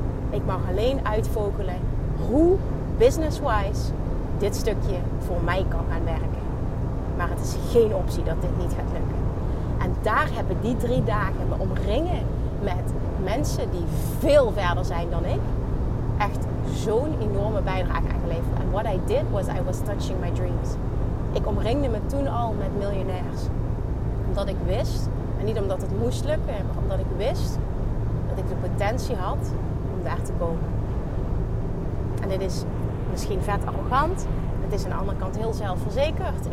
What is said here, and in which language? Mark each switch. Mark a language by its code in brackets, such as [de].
[nl] Ik mag alleen uitvogelen hoe business-wise dit stukje voor mij kan gaan werken. Maar het is geen optie dat dit niet gaat lukken. En daar hebben die 3 dagen me omringen met mensen die veel verder zijn dan ik, echt zo'n enorme bijdrage aangeleverd. [en] En what I did was, I was touching my dreams. [nl] Ik omringde me toen al met miljonairs. Omdat ik wist, en niet omdat het moest lukken, maar omdat ik wist dat ik de potentie had om daar te komen. En dit is misschien vet arrogant. Het is aan de andere kant heel zelfverzekerd.